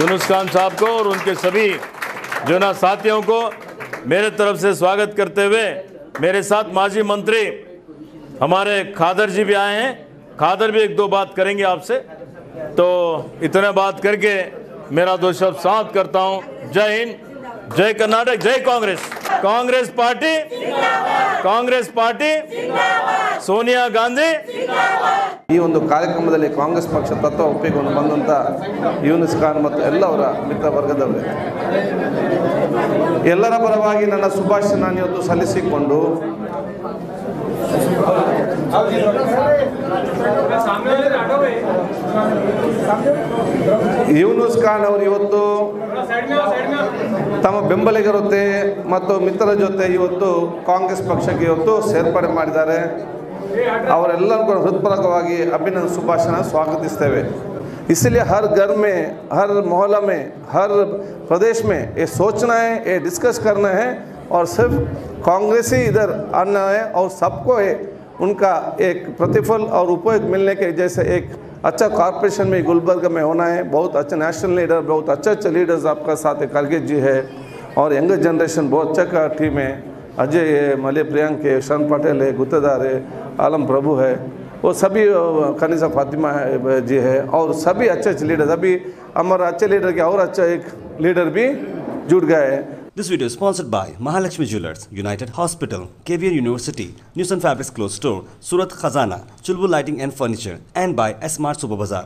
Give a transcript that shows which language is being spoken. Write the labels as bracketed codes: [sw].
[hi] यूनुस खान साहब को और उनके सभी जो ना साथियों को मेरे तरफ से स्वागत करते हुए, मेरे साथ माजी मंत्री हमारे खादर जी भी आए हैं, खादर भी एक दो बात करेंगे आपसे, तो इतने बात करके मेरा दो शब्द साथ करता हूँ। जय हिंद, जय कर्नाटक, जय कांग्रेस। Congress party, Congress party, Sonia Gandhi. [kn] ಈ ಒಂದು ಕಾರ್ಯಕ್ರಮದಲ್ಲಿ ಕಾಂಗ್ರೆಸ್ ಪಕ್ಷ ತತ್ವ ಒಪ್ಪಿಕೊಂಡು ಬಂದಂತ ಯೂನುಸ್ ಖಾನ್ ಮತ್ತು ಎಲ್ಲವರ ಮಿತ್ರ ವರ್ಗದವರು ಎಲ್ಲರ ಪರವಾಗಿ ನನ್ನ ಶುಭಾಶಯ ನಾನು ಸಲ್ಲಿಸಿಕೊಂಡು ಯೂನುಸ್ ಖಾನ್ ಅವರು ಇವತ್ತು ತಮ್ಮ ಬೆಂಬಲಿಗರೊತ್ತೆ ಮತ್ತು ಮಿತ್ರರ ಜೊತೆ ಇವತ್ತು ಕಾಂಗ್ರೆಸ್ ಪಕ್ಷಕ್ಕೆ ಇವತ್ತು ಸೇರ್ಪಡೆ ಮಾಡಿದ್ದಾರೆ, ಅವರೆಲ್ಲರಿಗೂ ಹೃತ್ಪೂರ್ವಕವಾಗಿ ಅಭಿನಂದನೆ ಶುಭಾಶಯ ಸ್ವಾಗತಿಸ್ತೇವೆ। [hi] इसलिए हर घर में, हर मोहल्ला में, हर प्रदेश में ये सोचना है, ये डिस्कस करना है, और सिर्फ कांग्रेस ही इधर आना है और सबको है उनका एक प्रतिफल और उपयोग मिलने के, जैसे एक अच्छा कॉरपोरेशन में गुलबर्गा में होना है, बहुत अच्छा नेशनल लीडर, बहुत अच्छे अच्छे लीडर्स आपका साथ है, कारगिल जी है और यंगर जनरेशन बहुत अच्छा का टीम है, अजय है, मलय प्रियंक है, शन पटेल है, गुत्तेदार है, आलम प्रभु है, वो सभी कनीसा फातिमा जी है और सभी अच्छे अच्छे लीडर्स, अभी अमर अच्छे लीडर के और अच्छा एक लीडर भी जुड़ गए हैं। [en] This video is sponsored by Mahalakshmi Jewelers, United Hospital, KVN University, Newson Fabrics Clothes Store, Surat Khazana, Chulbul Lighting and Furniture, and by Smart Super Bazaar.